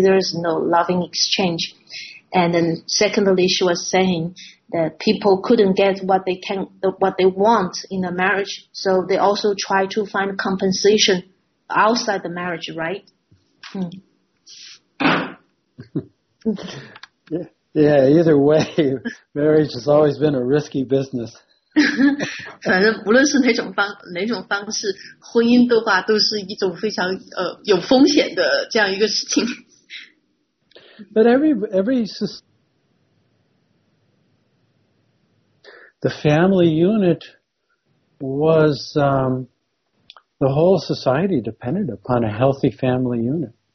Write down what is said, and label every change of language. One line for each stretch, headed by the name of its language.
English: There is no loving exchange. And then secondly, she was saying that people couldn't get what they want in a marriage. So they also try to find compensation outside the marriage, right? Yeah, either way, marriage has always been a risky business.
Chinese: 反正不论是哪种方式，婚姻的话都是一种非常有风险的这样一个事情。
English: But every the family unit was the whole society depended upon a healthy family unit.